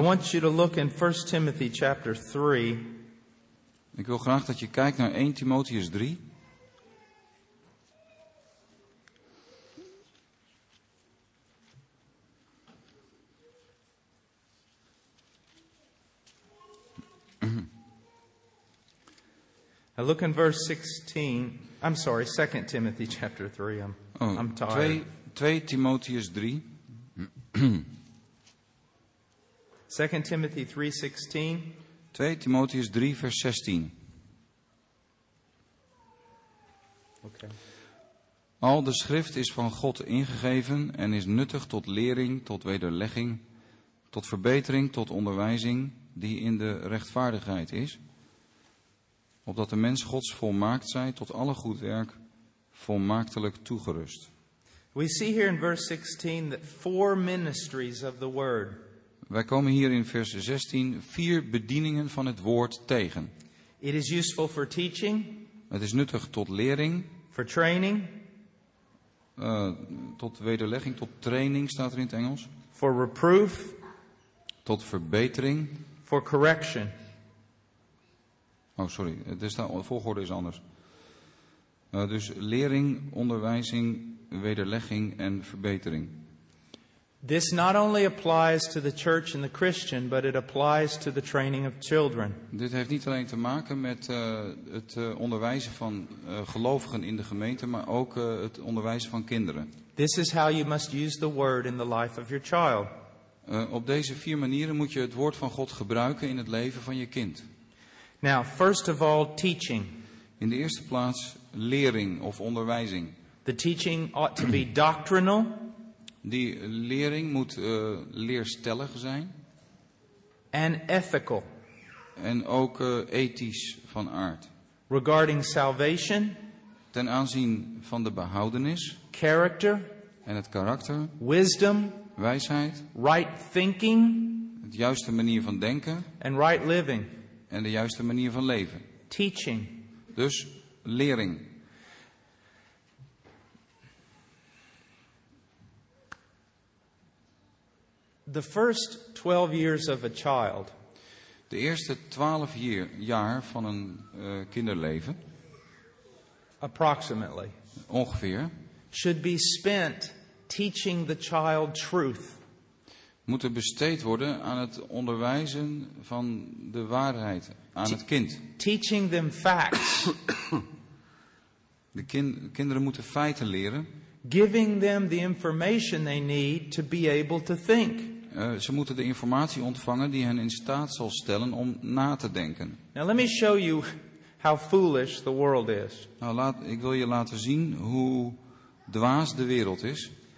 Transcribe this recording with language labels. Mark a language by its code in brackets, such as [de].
[en] I want you to look in 1 Timothy chapter 3. [nl] Ik wil graag dat je kijkt naar 1 Timotheus 3. [en] I look in verse 16. I'm sorry, 2 Timothy chapter 3. I'm tired. [nl] 2 Timotheus 3. [en] 2 Timothy 3:16. [nl] 2 Timotheus 3 vers 16. [en] Okay. [nl] Al de schrift is van God ingegeven en is nuttig tot lering, tot wederlegging, tot verbetering, tot onderwijzing die in de rechtvaardigheid is. Opdat de mens Gods volmaakt zij tot alle goed werk volmaaktelijk toegerust. [en] We see here in verse 16 that four ministries of the word. [nl] Wij komen hier in vers 16 vier bedieningen van het woord tegen. [en] It is useful for teaching. [nl] Het is nuttig tot lering. [en] For training. [nl] Tot wederlegging, tot training staat er in het Engels. [en] For reproof. [nl] Tot verbetering. [en] For correction. [nl] Oh, sorry, de volgorde is anders. Dus lering, onderwijzing, wederlegging en verbetering. [en] This not only applies to the church and the Christian, but it applies to the training of children. [nl] Dit heeft niet alleen te maken met het onderwijzen van gelovigen in de gemeente, maar ook het onderwijzen van kinderen. [en] This is how you must use the word in the life of your child. [nl] Op deze vier manieren moet je het woord van God gebruiken in het leven van je kind. [en] Now, first of all, teaching. [nl] In de eerste plaats lering of onderwijzing. [en] The teaching ought to be doctrinal. [nl] Die lering moet leerstellig zijn. [en] And ethical. [nl] En ook ethisch van aard. [en] Regarding salvation. [nl] Ten aanzien van de behoudenis. [en] Character. [nl] En het karakter. [en] Wisdom. [nl] Wijsheid. [en] Right thinking. [nl] De juiste manier van denken. [en] And right living. [nl] En de juiste manier van leven. [en] Teaching. [nl] Dus lering. [en] The first 12 years of a child. [nl] De eerste 12 jaar van een kinderleven. [en] Approximately. [nl] Ongeveer. [en] Should be spent teaching the child truth. [nl] Moeten besteed worden aan het onderwijzen van de waarheid aan het kind. [en] Teaching them facts. [nl] De kinderen moeten feiten leren. [en] Giving them the information they need to be able to think. [nl] Ze moeten de informatie ontvangen die hen in staat zal stellen om na te denken. [en] Now let me show you how foolish the world is. [nl] Nou, ik wil je laten zien hoe dwaas de wereld is.